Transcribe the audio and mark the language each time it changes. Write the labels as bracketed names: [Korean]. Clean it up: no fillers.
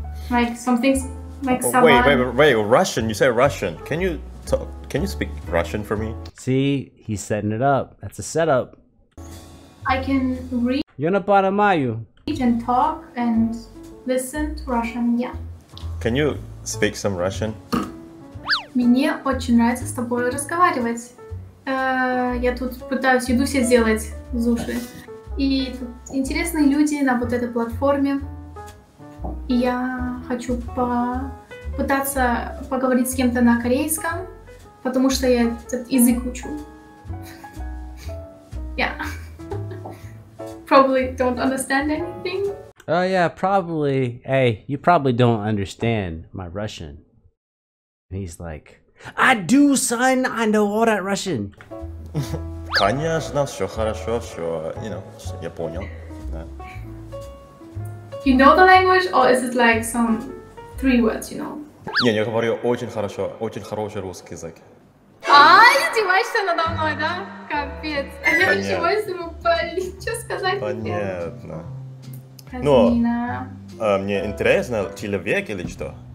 [English] Wait, Russian. You said Russian. Can you speak Russian for me? See, he's setting it up. That's a setup. I can read. [Russian] Я не понимаю. [English] Read and talk and listen to Russian, yeah. Can you speak some Russian? [Russian] Мне очень нравится с тобой разговаривать. Я тут пытаюсь еду себе сделать, зуши. И тут интересные люди на вот этой платформе. И я хочу попытаться поговорить с кем-то на корейском, потому что я этот язык учу. [English] Yeah. Probably don't understand anything. Oh yeah, probably. Hey, you probably don't understand my Russian. And he's like, I do, son. I know all that Russian. [Russian] Конечно, все хорошо, все. [English] You know, [Russian] я понял. [English] You know the language, or is it like some three words? You know. [Russian] Не, я говорю очень хорошо, очень хороший русский язык. А, издеваешься надо мной, да? Капец. А я ничего себе, блин, что сказать? Понятно. Ну, мне интересно, человек или что?